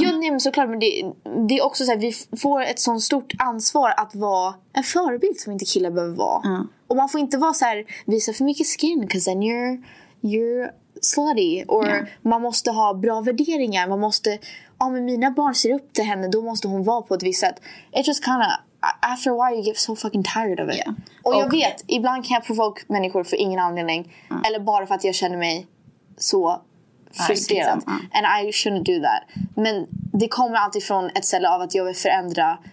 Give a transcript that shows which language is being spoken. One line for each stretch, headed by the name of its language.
Swedish: Ja, nej, men såklart, men det är också så här, vi får ett sånt stort ansvar att vara en förebild som inte killar behöver vara. Och man får inte vara så här, visa för mycket
English: skin, 'cause then you're slutty.
Swedish: Or man måste ha bra värderingar. Man måste, ja, men mina barn ser upp till henne, då måste hon vara på ett visst sätt.
English: It's just kinda, after a while you get so fucking tired of it.
Swedish: Och jag vet, ibland kan jag provoke människor för ingen anledning. Eller bara för att jag känner mig så frustrerad.
English: And I shouldn't do that.
Swedish: Men det kommer alltid från ett ställe av att jag vill förändra.